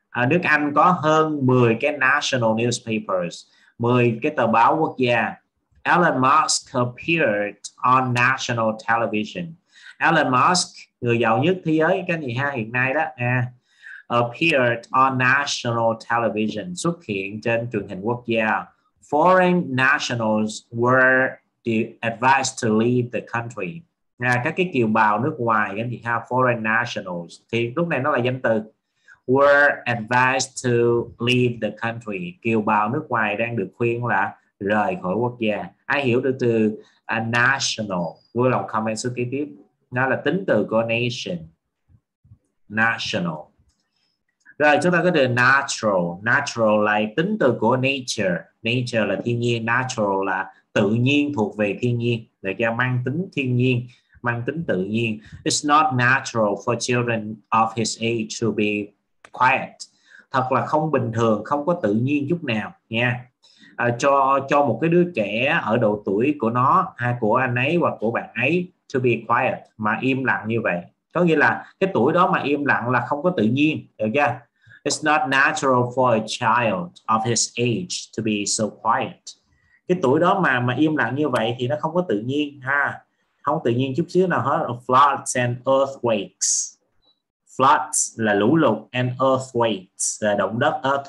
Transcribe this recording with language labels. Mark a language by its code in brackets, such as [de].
[vi] Nước Anh có hơn 10 cái national newspapers, 10 cái tờ báo quốc gia. [en] Elon Musk appeared on national television. [vi] Elon Musk, người giàu nhất thế giới cái gì ha hiện nay đó, [en] appeared on national television, [vi] xuất hiện trên truyền hình quốc gia. [en] Foreign nationals were advised to leave the country. [vi] Các cái kiều bào nước ngoài cái gì ha, [en] foreign nationals [vi] thì lúc này nó là danh từ. [en] Were advised to leave the country. [vi] Kiều bào nước ngoài đang được khuyên là rời khỏi quốc gia. Ai hiểu được từ a national, vui lòng comment số kế tiếp. Nó là tính từ của nation. National. Rồi chúng ta có từ natural. Natural là tính từ của nature. Nature là thiên nhiên. Natural là tự nhiên, thuộc về thiên nhiên. Để cho mang tính thiên nhiên, mang tính tự nhiên. [en] It's not natural for children of his age to be quiet. [vi] Thật là không bình thường, không có tự nhiên chút nào nha. Cho một cái đứa trẻ ở độ tuổi của nó hay của anh ấy hoặc của bạn ấy [en] to be quiet, [vi] mà im lặng như vậy, có nghĩa là cái tuổi đó mà im lặng là không có tự nhiên, được chưa? [en] It's not natural for a child of his age to be so quiet. [vi] Cái tuổi đó mà im lặng như vậy thì nó không có tự nhiên ha, không tự nhiên chút xíu nào hết. [en] Floods and earthquakes. [vi] Floods là lũ lụt, and earthquakes là động đất.